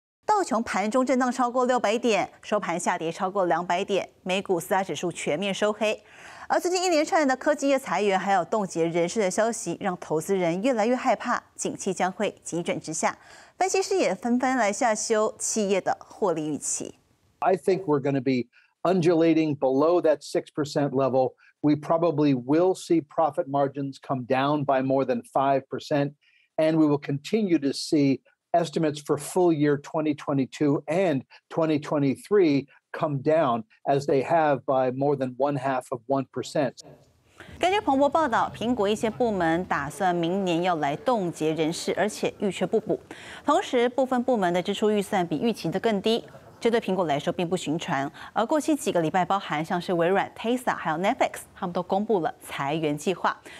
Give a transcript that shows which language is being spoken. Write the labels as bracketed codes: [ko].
[zh] 道琼盘中震荡超过600点，收盘下跌超过200点，美股四大指数全面收黑。而最近一连串的科技业裁员还有冻结人士的消息，让投资人越来越害怕景气将会急转直下，分析师也纷纷来下修企业的获利预期。 [en] I think we're going to be undulating below that 6% level. We probably will see profit margins come down by more than 5%, and we will continue to see estimates for full year 2022 and 2023come down as they have by more than one half of 1%. [zh] 根据彭博报道，苹果一些部门打算明年要来冻结人事，而且预缺不补。同时，部分部门的支出预算比预期的更低，这对苹果来说并不寻常。而过去几个礼拜，包含像是微软、Tesla 还有 Netflix， 他们都公布了裁员计划。